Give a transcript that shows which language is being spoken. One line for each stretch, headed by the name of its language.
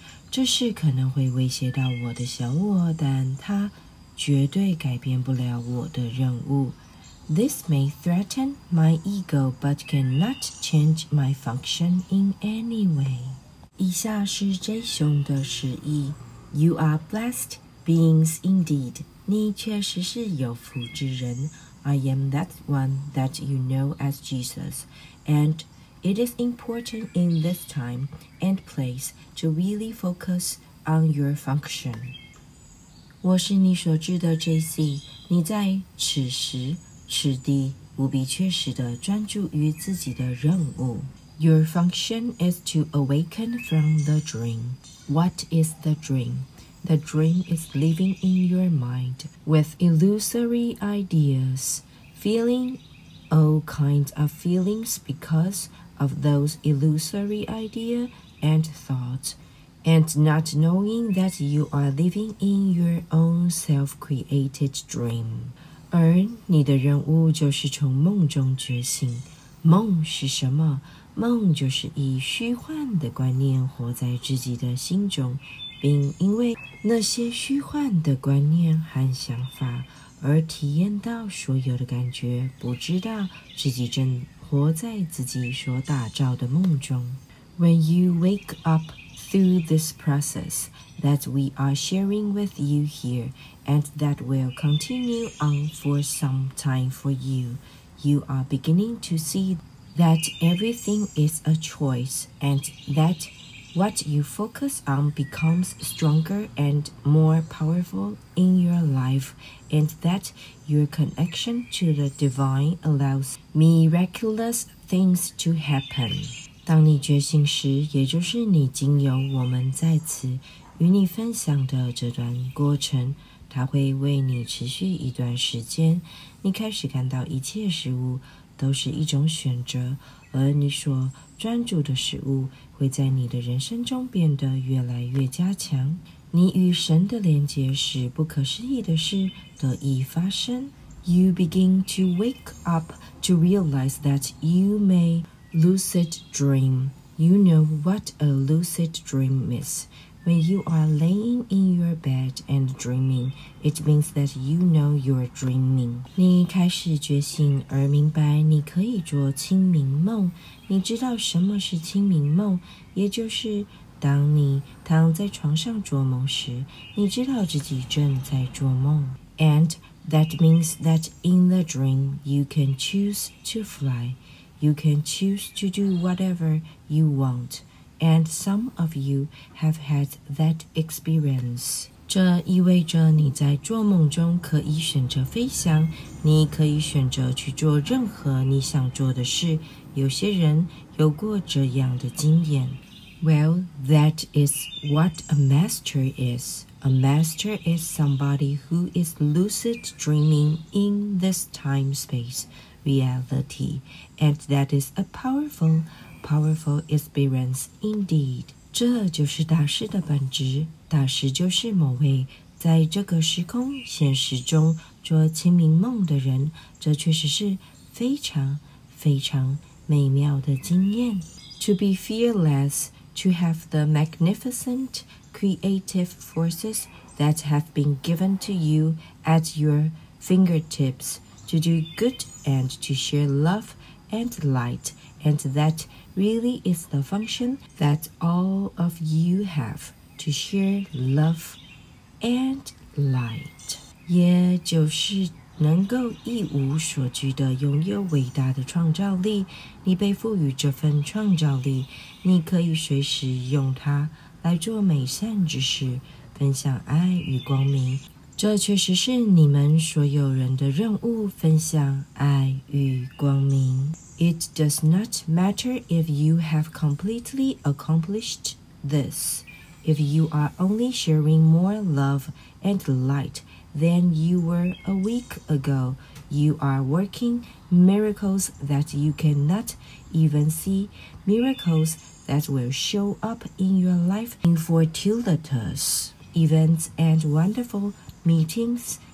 Chinese: 这事可能会威胁到我的小我，但它绝对改变不了我的任务。
English: This may threaten my ego, but cannot change my function in any way.
Chinese: 以下是 J 熊的示意。
English: You are blessed beings indeed.
Chinese: 你确实是有福之人。
English: I am that one that you know as Jesus. And it is important in this time and place to really focus on your function.
Chinese: 我是你所知的 JC, 你在此时此地务必确实地专注于自己的任务。
English: Your function is to awaken from the dream. What is the dream? The dream is living in your mind with illusory ideas, feeling all kinds of feelings because of those illusory ideas and thoughts, and not knowing that you are living in your own self-created dream.
Chinese: 而你的任务就是从梦中觉醒。梦是什么？梦就是以虚幻的观念活在自己的心中，并因为那些虚幻的观念和想法而体验到所有的感觉，不知道自己正活在自己所打造的梦中。
English: When you wake up through this process that we are sharing with you here,and that will continue on for some time for you. You are beginning to see that everything is a choice and that what you focus on becomes stronger and more powerful in your life and that your connection to the divine allows miraculous things to happen.
Chinese: 当你觉醒时，也就是你经由我们在此与你分享的这段过程，它会为你持续一段时间，你开始感到一切事物都是一种选择，而你所专注的事物会在你的人生中变得越来越加强。你与神的连结使不可思议的事得以发生。
English: You begin to wake up to realize that you may lucid dream. You know what a lucid dream is. When you are laying in your bed and dreaming, it means that you know you're dreaming.
Chinese: 你开始觉醒而明白你可以做清明梦。你知道什么是清明梦，也就是当你躺在床上做梦时，你知道自己正在做梦。
English: And that means that in the dream, you can choose to fly. You can choose to do whatever you want. And some of you have had that experience.
Chinese: 这意味着你在做梦中可以选择飞翔，你可以选择去做任何你想做的事。有些人有过这样的经验。
English: Well, that is what a master is. A master is somebody who is lucid dreaming in this time-space reality. And that is a powerful experience indeed.
Chinese: 这就是大师的本质。大师就是某位在这个时空现实中做清明梦的人，这确实是非常非常美妙的经验。
English: To be fearless, to have the magnificent creative forces that have been given to you at your fingertips to do good and to share love and light and thatReally is the function that all of you have to share love and light.
Chinese: 也就是能够一无所惧地拥有伟大的创造力，你被赋予这份创造力，你可以随时用它来做美善之事，分享爱与光明。这确实是你们所有人的任务，分享爱与光明。
English: It does not matter if you have completely accomplished this. If you are only sharing more love and light than you were a week ago, you are working miracles that you cannot even see, miracles that will show up in your life in fortuitous events and wonderful meetings